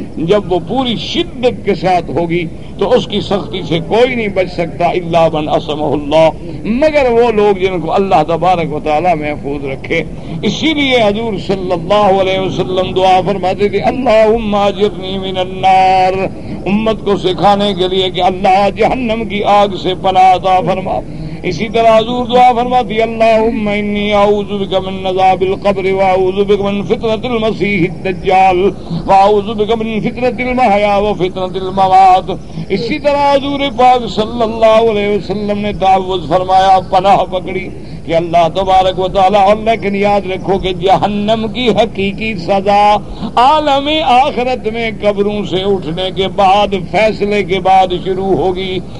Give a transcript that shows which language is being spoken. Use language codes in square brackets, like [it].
[ur] جب وہ پوری شدت کے ساتھ ہوگی تو اس کی سختی سے کوئی نہیں بچ سکتا [ar] الا من اسمہ اللہ, [ur] مگر وہ لوگ جن کو اللہ تبارک و تعالی محفوظ رکھے. اسی لیے حضور صلی اللہ علیہ وسلم دعا فرماتے تھے [ar] اللہم اجرنی من النار, [ur] امت کو سکھانے کے لیے کہ اللہ جہنم کی آگ سے پناہ عطا فرما. اسی طرح حضور دعا فرماتی [ar] اللہم انی اعوذ بک من عذاب القبر واعوذ بک من فتنة المسیح الدجال واعوذ بک من فتنة المحیا وفتنة الممات. [ur] اسی طرح حضور پاک صلی اللہ علیہ وسلم نے تعوذ فرمایا, پناہ پکڑی کہ اللہ تبارک و تعالیٰ, لیکن یاد رکھو کہ جہنم کی حقیقی سزا عالم آخرت میں قبروں سے اٹھنے کے بعد فیصلے کے بعد شروع ہوگی.